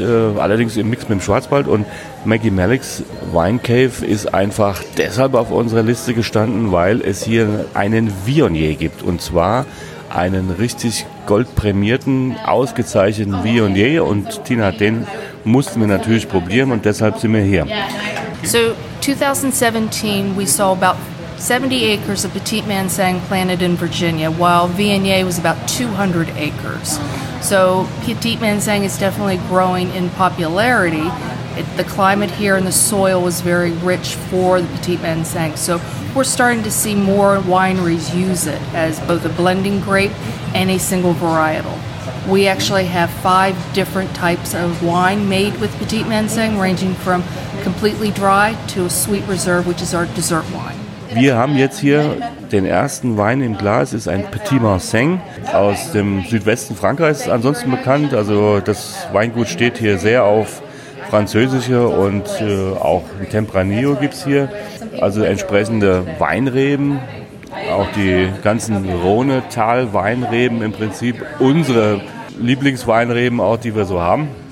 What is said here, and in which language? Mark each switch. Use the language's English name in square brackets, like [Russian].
[German] Allerdings im Mix mit dem Schwarzwald. Und Maggie Malik's Wine Cave ist einfach deshalb auf unserer Liste gestanden, weil es hier einen Viognier gibt. Und zwar einen richtig goldprämierten, ausgezeichneten Viognier. Und Tina, den mussten wir natürlich probieren und deshalb sind wir hier. [English] So 2017, we saw about 70 acres of Petit Mansang planted in Virginia, while Viognier was about 200 acres. So Petit Mansang is definitely growing in popularity. The climate here and the soil was very rich for the Petit Mansang. So we're starting to see more wineries use it as both a blending grape and a single varietal. We actually have 5 different types of wine made with Petit Mansang, ranging from completely dry to a sweet reserve, which is our dessert wine. [German] Wir haben jetzt hier den ersten Wein im Glas, ist ein Petit Mansang aus dem Südwesten Frankreichs, ansonsten bekannt. Also das Weingut steht hier sehr auf französische und auch Tempranillo gibt es hier. Also entsprechende Weinreben, auch die ganzen Rhone-Tal-Weinreben im Prinzip, unsere Lieblingsweinreben auch, die wir so haben.